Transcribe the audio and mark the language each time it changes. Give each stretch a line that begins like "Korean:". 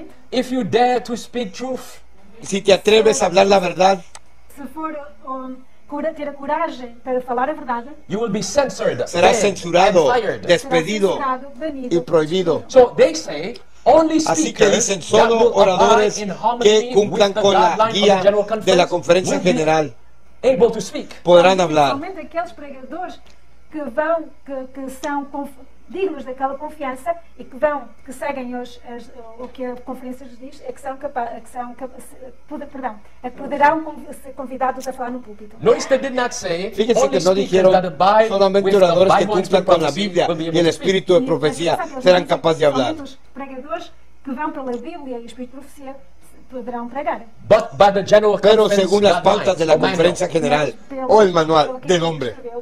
English: If you dare to speak truth,
Spanish: si te atreves a hablar la verdad,
Portuguese: si for ter a coragem para falar a verdade,
English: you will be censored,
Spanish: serás censurado,
English: fired,
Spanish: despedido,
Portuguese: censurado, banido,
Spanish: y prohibido.
English: So they say, only speakers
Spanish: así que dicen, solo oradores que cumplan con la guía de la conferencia general
English: able to speak.
Spanish: Podrán hablar.
Portuguese: Somente aqueles pregadores que vão, que são dignos daquela confiança e que vão, que seguem o que a conferência lhes diz, é que são capazes, que são perdão, é que poderão ser convidados a falar no púlpito.
English: Notice they did not say,
Spanish: fíjense que no dijeron solamente oradores que cumplan con la Biblia y el espíritu de profecía serán capaces de hablar.
Portuguese: Pregadores que vão pela Bíblia e o espírito de profecía poderão pregar.
English: But by the general
Spanish: pero según las pautas de la conferencia general o el manual del hombre.